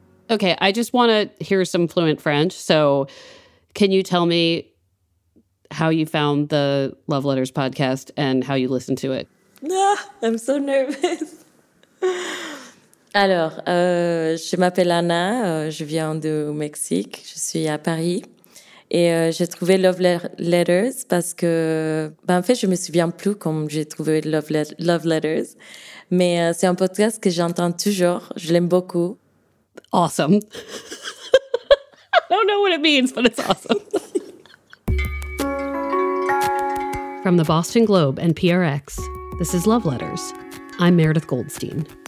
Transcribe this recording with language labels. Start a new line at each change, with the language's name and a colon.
English: Okay, I just want to hear some fluent French. So can you tell me how you found the Love Letters podcast and how you listened to it? Ah, I'm so nervous.
French: Alors, je m'appelle Anna, je viens du Mexique, je suis à Paris. Et j'ai trouvé Love Letters parce que, en fait, je me souviens plus comment j'ai trouvé Love Letters. Mais c'est un podcast que j'entends toujours, je l'aime beaucoup.
English: Awesome. I don't know what it means, but it's awesome. From the Boston Globe and PRX, this is Love Letters. I'm Meredith Goldstein.